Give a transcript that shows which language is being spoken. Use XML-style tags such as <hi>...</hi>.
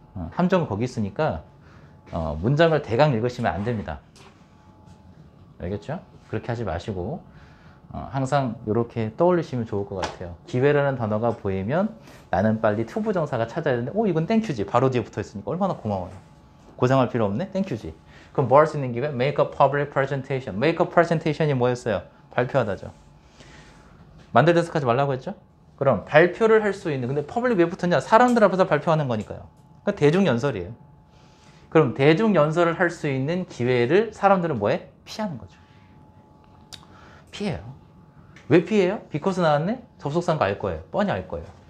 <ko>함정은 거기 있으니까, 문장을 대강 읽으시면 안 됩니다. 알겠죠? 그렇게 하지 마시고, 항상 이렇게 떠올리시면 좋을 것 같아요. 기회라는 단어가 보이면 나는 빨리 투부 정사가 찾아야 되는데, 오, 이건 땡큐지. 바로 뒤에 붙어 있으니까 얼마나 고마워요. 고생할 필요 없네. 땡큐지. 그럼 뭐할수 있는 기회?</ko> <en>Make a public presentation. Make a presentation이</en> <ko>뭐였어요? 발표하다죠. 만들 데스크 하지 말라고 했죠? 그럼 발표를 할수 있는, 근데 퍼블릭 왜 붙었냐? 사람들 앞에서 발표하는 거니까요. 그러니까 대중연설이에요. 그럼 대중연설을 할수 있는 기회를 사람들은 뭐 해? 피하는 거죠. 피해요. 왜 피해요? 비코스 나왔네? 접속사인 거알 거예요. 뻔히 알 거예요.</ko>